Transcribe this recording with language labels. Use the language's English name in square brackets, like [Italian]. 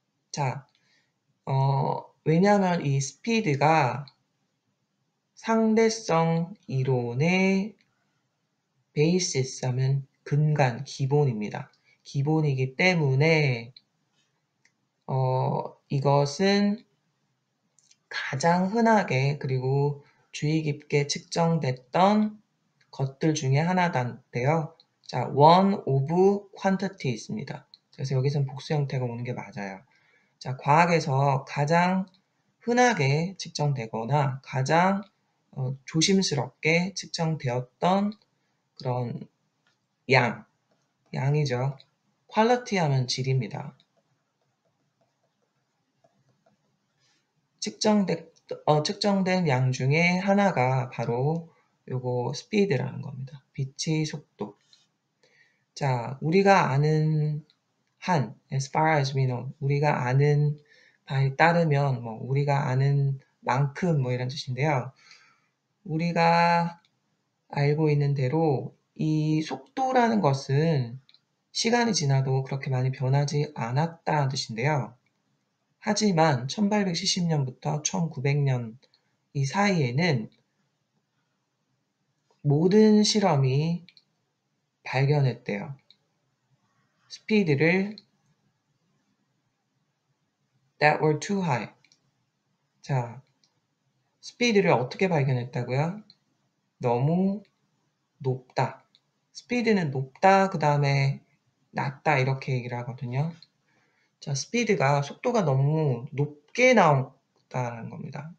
[Korean] 자, 왜냐하면 이 스피드가 상대성 이론의 베이시스 하면 근간, 기본입니다. 기본이기 때문에 이것은 가장 흔하게 그리고 주의 깊게 측정됐던 것들 중에 하나인데요. [English] 자, one of quantities 입니다. [Korean] 그래서 여기서는 복수 형태가 오는 게 맞아요. 자, 과학에서 가장 흔하게 측정되거나 가장 조심스럽게 측정되었던 그런 양이죠. quality 하면 질입니다. 측정된 양 중에 하나가 바로 요거 스피드라는 겁니다. 빛의 속도. 자, 우리가 아는 한, [English] as far as we know, [Korean] 우리가 아는 바에 따르면, 뭐, 우리가 아는 만큼, 뭐, 이런 뜻인데요. 우리가 알고 있는 대로 이 속도라는 것은 시간이 지나도 그렇게 많이 변하지 않았다는 뜻인데요. 하지만 1870년부터 1900년 이 사이에는 모든 실험이 발견했대요. [English] 스피드를 that were too high. [Korean] 자, 스피드를 어떻게 발견했다고요? 너무 높다. 스피드는 높다. 그 다음에 낮다. 이렇게 얘기를 하거든요. 자, 스피드가 속도가 너무 높게 나온다는 겁니다.